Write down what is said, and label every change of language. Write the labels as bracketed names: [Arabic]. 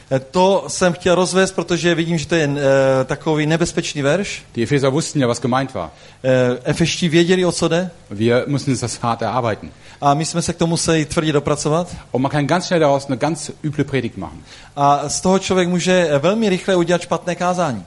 [Czech] To jsem chtěl rozvést, protože vidím, že to je takový nebezpečný verš. [German] Die Epheser wussten ja, was gemeint war. [Czech] Efeští věděli, o co jde. [German] Wir müssen das hart erarbeiten. [Czech] A my jsme se k tomu museli tvrdě dopracovat. [German] Und man kann ganz schnell daraus eine ganz üble Predigt machen. [Czech] A z toho člověk může velmi rychle udělat špatné kázání.